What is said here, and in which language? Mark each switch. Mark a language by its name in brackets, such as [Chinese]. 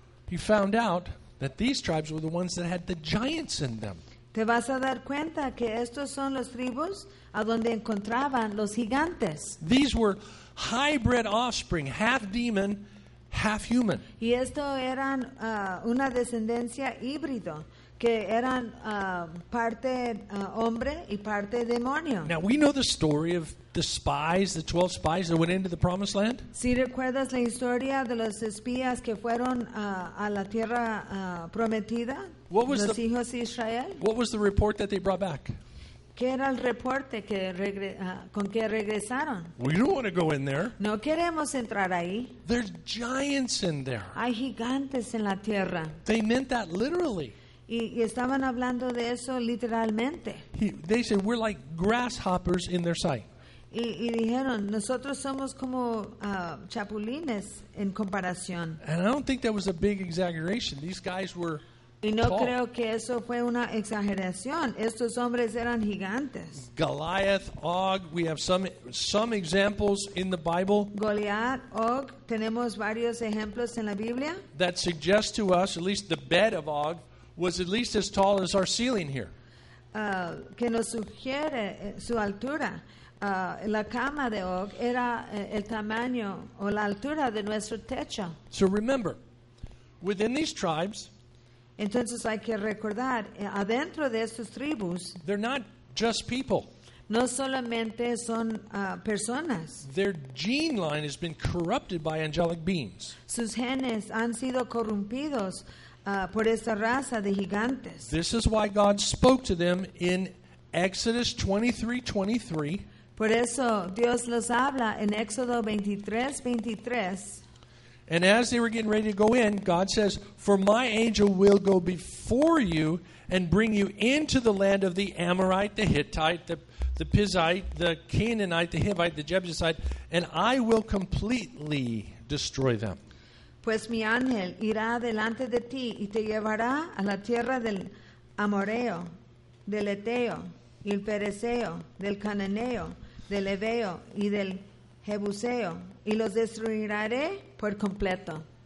[English] he found out that these tribes were the ones that had the giants in them. [Spanish] Te vas a dar cuenta que estos son los tribus a donde encontraban los gigantes. [English] These were hybrid offspring, half demon, half human. [Spanish] Y esto eran una descendencia híbrido, que eran parte hombre y parte demonio. [English] Now we know the story of the spies, the 12 spies that went into the promised land. [Spanish] ¿Sí recuerdas la historia de los espías que fueron a la tierra prometida? [English] What was [Spanish] los hijos de Israel? [English] What was the report that they brought back? [Spanish] ¿Qué era el reporte que con que regresaron? [English] We don't want to go in there. [Spanish] No queremos entrar ahí. [English] There's giants in there. [Spanish] Hay gigantes en la tierra. [English] They meant that literally. [Spanish] Y estaban hablando de eso literalmente. [English] They said we're like grasshoppers in their sight. [Spanish] Y dijeron, nosotros somos como chapulines en comparación. [English] And I don't think that was a big exaggeration. These guys were [Spanish] y no [English] tall. [Spanish] Creo que eso fue una exageración. Estos hombres eran gigantes. [English] Goliath, Og, we have some examples in the Bible. [Spanish] Goliath, Og, tenemos varios ejemplos en la Biblia. [English] That suggest to us, at least the bed of Og, was at least as tall as our ceiling here. [Spanish] Que nos sugiere su altura. La cama de Og era el tamaño o la altura de nuestro techo. [English] So remember, within these tribes, [Spanish] entonces hay que recordar, adentro de estos tribus, [English] they're not just people. [Spanish] No solamente son personas. [English] Their gene line has been corrupted by angelic beings. [Spanish] Sus genes han sido corrompidos por esta raza de gigantes. [English] This is why God spoke to them in Exodus 23:23. [Spanish] Por eso Dios los habla en Éxodo 23:23. [English] And as they were getting ready to go in, God says, "For my angel will go before you and bring you into the land of the Amorite, the Hittite, the Pizzite, the Canaanite, the Hivite, the Jebusite, and I will completely destroy them." [Spanish] Pues mi ángel irá delante de ti y te llevará a la tierra del Amoreo, del Eteo, el Pereceo, del Cananeo, del Ebeo y del Jebuseo, y los destruiré por completo.